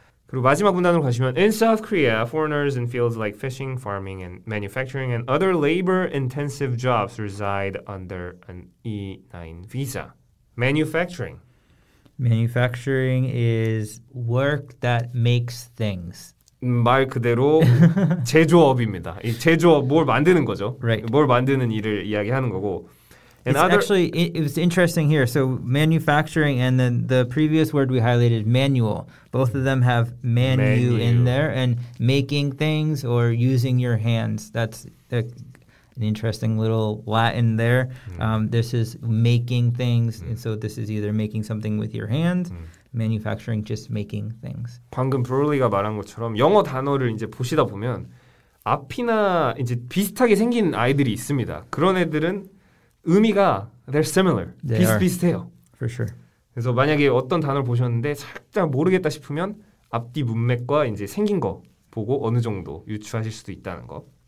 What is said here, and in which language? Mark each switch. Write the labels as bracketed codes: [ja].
[ko] 그리고 마지막 문단으로 가시면 [en] In South Korea, foreigners in fields like fishing, farming, and manufacturing and other labor-intensive jobs reside under an E9 visa. Manufacturing. Manufacturing is work that makes things. [ko] 말 그대로 제조업입니다. 이 제조업, 뭘 만드는 거죠. [en] Right. [ko] 뭘 만드는 일을 이야기하는 거고 [en] And it's other, actually, it's interesting here. So manufacturing and then the previous word we highlighted, manual, both of them have manu in there and making things or using your hands. That's an interesting little Latin there. This is making things. And so this is either making something with your hands, manufacturing, just making things. [ko] 방금 브롤리가 말한 것처럼 영어 단어를 이제 보시다 보면 앞이나 이제 비슷하게 생긴 아이들이 있습니다. 그런 애들은 의미가 [en] they're similar. They [ko] 비슷비슷해요. [en] Are. For sure. [ko] 그래서 만약에 어떤 단어를 보셨는데 살짝 모르겠다 싶으면 앞뒤 문맥과 이제 생긴 거 보고 어느 정도 유추하실 수도 있다는 거.